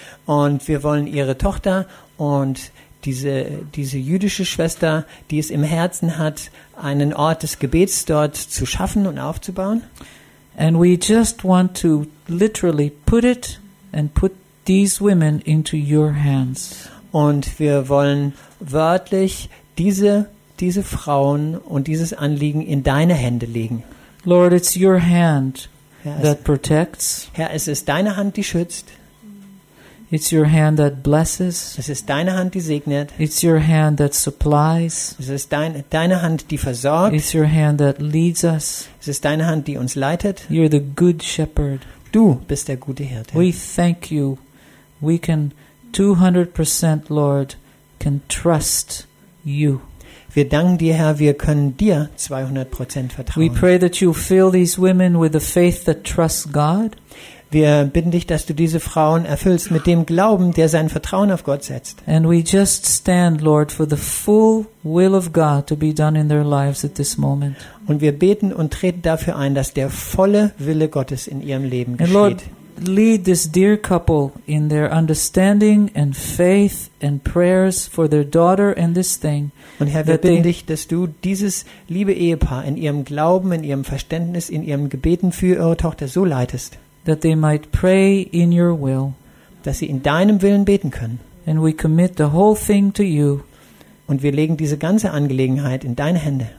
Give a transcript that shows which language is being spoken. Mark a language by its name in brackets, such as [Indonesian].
[German] Und wir wollen ihre Tochter und diese jüdische Schwester, die es im Herzen hat, einen Ort des Gebets dort zu schaffen und aufzubauen. [English] And we just want to literally put it and put these women into your hands. [German] Und wir wollen wörtlich diese Frauen und dieses Anliegen in deine Hände legen. [English] Lord, it's your hand that protects. [German] Herr, es ist deine Hand, die schützt. [English] It's your hand that blesses. [German] Es ist deine Hand, die segnet. [English] It's your hand that supplies. [German] Es ist deine Hand, die versorgt. [English] It's your hand that leads us. [German] Es ist deine Hand, die uns leitet. [English] You're the good shepherd. [German] Du bist der gute Hirte. [English] We thank you. We can 200%, Lord, can trust you. [German] Wir danken dir, Herr, wir können dir 200% vertrauen. [English] We pray that you fill these women with the faith that trusts God. [German] Wir bitten dich, dass du diese Frauen erfüllst mit dem Glauben, der sein Vertrauen auf Gott setzt. [English] And we just stand, Lord, for the full will of God to be done in their lives at this moment. [German] Und wir beten und treten dafür ein, dass der volle Wille Gottes in ihrem Leben geschieht. [English] And Lord, lead this dear couple in their understanding and faith and prayers for their daughter and this thing. [German] Und Herr, wir bitten dich, dass du dieses liebe Ehepaar in ihrem Glauben, in ihrem Verständnis, in ihrem Gebeten für ihre Tochter so leitest. [English] That they might pray in your will, [German] dass sie in deinem Willen beten können. [English] And we commit the whole thing to you. [German] Und wir legen diese ganze Angelegenheit in deine Hände.